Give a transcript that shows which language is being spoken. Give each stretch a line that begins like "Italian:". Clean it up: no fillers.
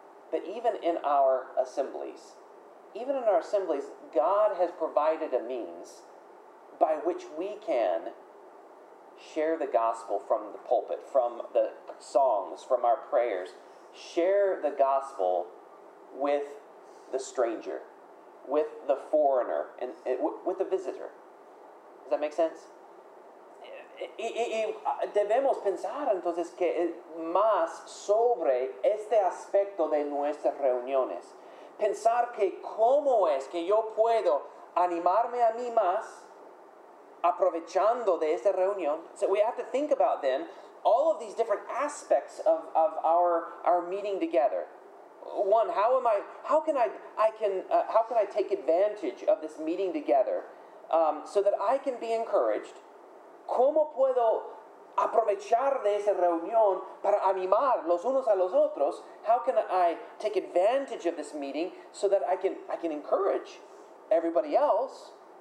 English: But even in our assemblies, God has provided a means by which we can share the gospel from the pulpit, from the songs, from our prayers, share the gospel with the stranger, with the foreigner, and with the visitor. Does that make sense?
Spanish: Y debemos pensar entonces que más sobre este aspecto de nuestras reuniones. Pensar que cómo es que yo puedo animarme a mí más aprovechando de esta reunión.
English: So we have to think about then all of these different aspects of our meeting together. One, how can I take advantage of this meeting together so that I can be encouraged?
Spanish: ¿Cómo puedo aprovechar de esa reunión para animar los unos a los otros?
English: How can I take advantage of this meeting so that I can encourage everybody else?